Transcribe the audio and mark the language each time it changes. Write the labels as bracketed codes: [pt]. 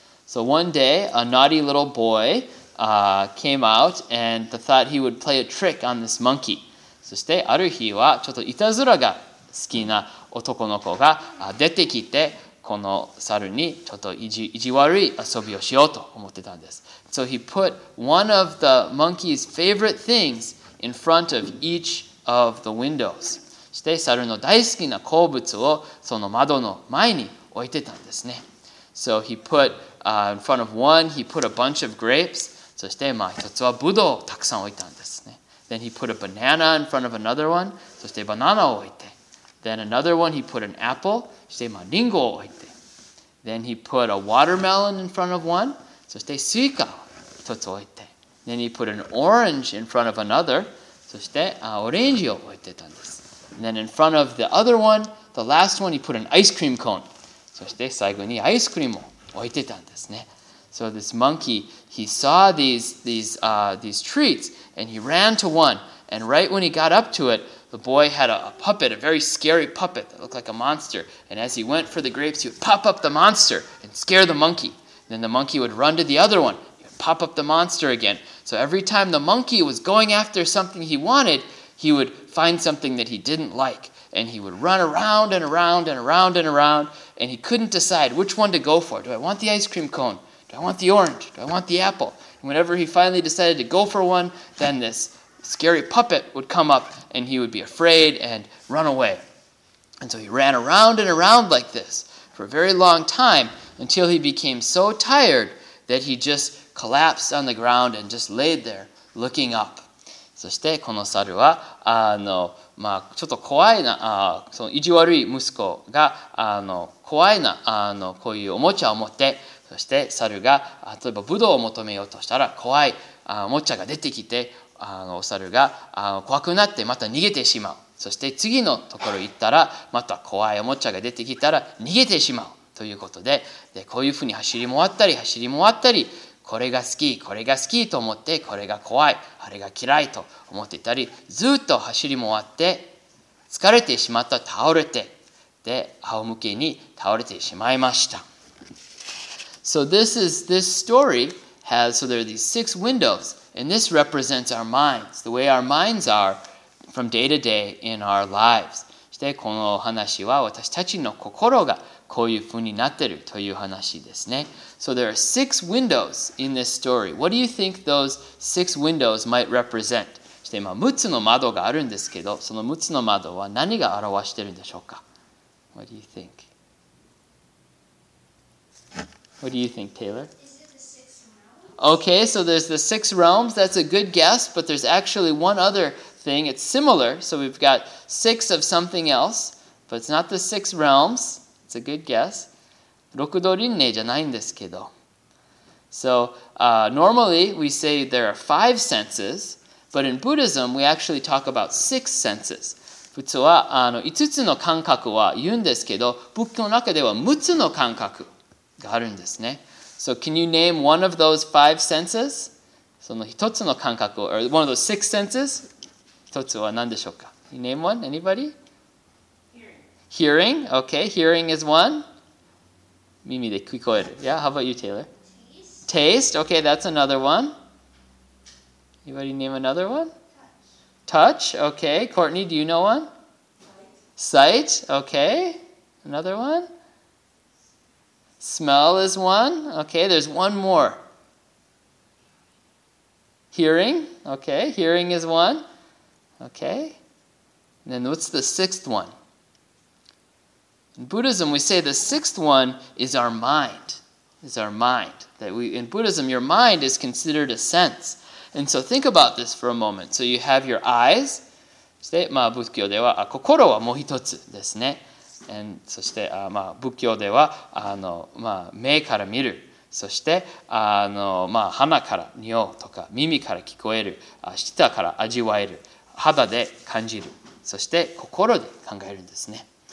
[en] So one day, a naughty little boy came out and thought he would play a trick on this monkey. [ja] そしてある日はちょっといたずらが好きな男の子が出てきて、この猿にちょっと意地悪い遊びをしようと思ってたんです。 [en] So he put one of the monkey's favorite things in front of each of the windows. [ja] そして猿の大好きな好物をその窓の前に置いてたんですね。 [en] So he put in front of one, he put a bunch of grapes. [ja] そして一つはブドウをたくさん置いたんですね。 [en] Then he put a banana in front of another one. [ja] そしてバナナを置いて。 [en] Then another one, he put an apple. [ja] そして、リンゴを置いて。 [en] Then he put a watermelon in front of one. [ja] そして、スイカを一つ置いて。 [en] Then he put an orange in front of another. [ja] そして、オレンジを置いてたんです。 [en] And then in front of the other one, the last one, he put an ice cream cone. [ja] そして、最後にアイスクリームを置いてたんですね。 [en] So this monkey, he saw these treats, and he ran to one. And right when he got up to it,The boy had a puppet, a very scary puppet that looked like a monster. And as he went for the grapes, he would pop up the monster and scare the monkey. Then the monkey would run to the other one, he would pop up the monster again. So every time the monkey was going after something he wanted, he would find something that he didn't like. And he would run around and around and around and around. And he couldn't decide which one to go for. Do I want the ice cream cone? Do I want the orange? Do I want the apple? And whenever he finally decided to go for one, then this... Scary puppet would come up and he would be afraid and run away. And so he ran around and around like this for a very long time until he became so tired that he just collapsed on the ground and just laid there looking up. [ja] そしてこの猿はちょっと怖いな、その意地悪い息子が怖いなあのこういうおもちゃを持って、そして猿が例えばブドウを求めようとしたら怖いあおもちゃが出てきて、あのお猿が怖くなってまた逃げてしまう。そして次のところ行ったらまた怖いおもちゃが出てきたら逃げてしまうということ でこういうふうに走り回ったり走り回ったり、これが好きこれが好きと思って、これが怖いあれが嫌いと思っていたり、ずっと走り回って疲れてしまった、倒れて、で仰向けに倒れてしまいました。 [en] So this story has, so there are these six windows, and this represents our minds, the way our minds are from day to day in our lives. [ja] そしてこの話は私たちの心がこういうふうになっているという話ですね。 [en] So there are six windows in this story. What do you think those six windows might represent? [ja] そして今6つの窓があるんですけど、その6つの窓は何が表しているんでしょうか? [en] What do you think? What do you think, Taylor? Okay, so there's the six realms. That's a good guess, but there's actually one other thing. It's similar. So we've got six of something else, but it's not the six realms. It's a good guess. [ja] 六道輪廻じゃないんですけど。 [en] So normally we say there are five senses, but in Buddhism we actually talk about six senses. [ja] 普通はあの五つの感覚は言うんですけど、仏教の中では六つの感覚があるんですね。 [en] So can you name one of those five senses? [ja] その一つの感覚を、 [en] or one of those six senses? [ja] 一つは何でしょうか? [en] Can you name one? Anybody? Hearing. Hearing? Okay, hearing is one. [ja] 耳で聞こえる。 [en] Yeah, how about you, Taylor? Taste. Okay, that's another one. Anybody name another one? Touch. Okay, Courtney, do you know one? Sight. Okay, another one? Smell is one. Okay, there's one more. Hearing. Okay, hearing is one. Okay. And then what's the sixth one? In Buddhism, we say the sixth one is our mind. Is our mind. That we, in Buddhism, your mind is considered a sense. And so think about this for a moment. So you have your eyes. [ja] そして、まあ、仏教では、あ、心はもう一つですね。 And, そして、まあ、仏教ではあの、まあ、目から見る、そしてあの、まあ、鼻から匂うとか、耳から聞こえる、舌から味わえる、肌で感じる、そして心で考えるんですね。